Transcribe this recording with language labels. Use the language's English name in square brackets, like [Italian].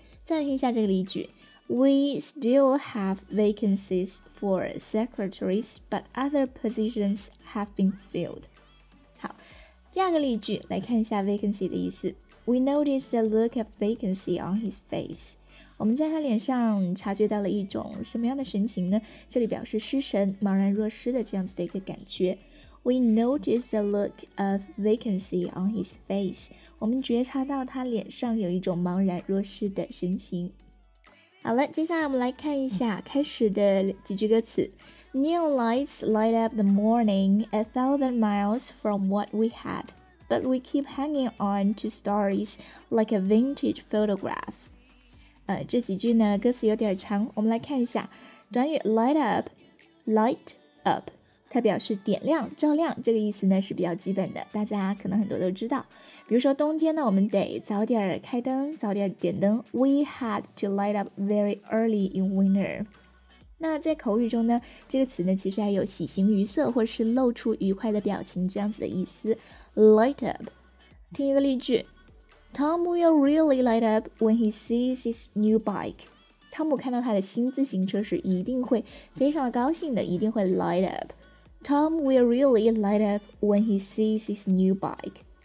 [Chinese] 再来听一下这个例句， [English] We still have vacancies for secretaries but other positions have been filled。 [Chinese] 好，第二个例句来看一下 vacancy 的意思。 [English] We noticed the look of vacancy on his face。 [Chinese] 我们在他脸上察觉到了一种什么样的神情呢？这里表示失神、茫然若失的这样子的一个感觉。 [English] We noticed a look of vacancy on his face. [Chinese] 我们觉察到他脸上有一种茫然若失的神情。好了，接下来我们来看一下开始的几句歌词。 [English] Neon lights light up the morning a thousand miles from what we had, but we keep hanging on to stories like a vintage photograph. [Chinese] 这几句呢，歌词有点长，我们来看一下。短语 light up, 它表示点亮、照亮，这个意思呢是比较基本的，大家可能很多都知道。比如说冬天呢，我们得早点开灯，早点点灯。 [English] We had to light up very early in winter. [Chinese] 那在口语中呢，这个词呢其实还有喜形于色或是露出愉快的表情这样子的意思。 [English] Light up， [Chinese] 听一个例句 [English] ，Tom will really light up when he sees his new bike。 [Chinese] 汤姆看到他的新自行车时，一定会非常的高兴的，一定会 light up。 [English] Tom will really light up when he sees his new bike。